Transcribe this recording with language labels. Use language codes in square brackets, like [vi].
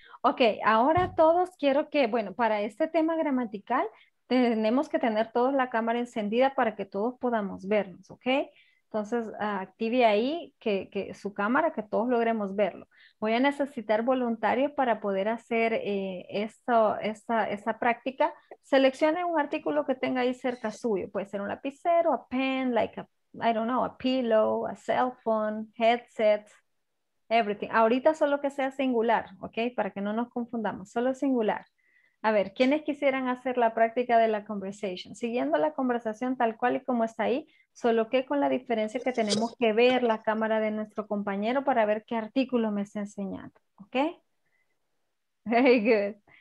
[es] Okay, ahora todos quiero que, bueno, para este tema gramatical, tenemos que tener todos la cámara encendida para que todos podamos vernos, ¿ok? Entonces, active ahí que su cámara, que todos logremos verlo. Voy a necesitar voluntarios para poder hacer esta práctica. Seleccione un artículo que tenga ahí cerca suyo. Puede ser un lapicero, [en] a pen, like a, I don't know, a pillow, a cell phone, headset, everything. [es] Ahorita solo que sea singular, ¿ok? Para que no nos confundamos, solo singular. A ver, ¿quiénes quisieran hacer la práctica de la conversation? Siguiendo la conversación tal cual y como está ahí, solo que con la diferencia que tenemos que ver la cámara de nuestro compañero para ver qué artículo me está enseñando, ¿ok? Very good.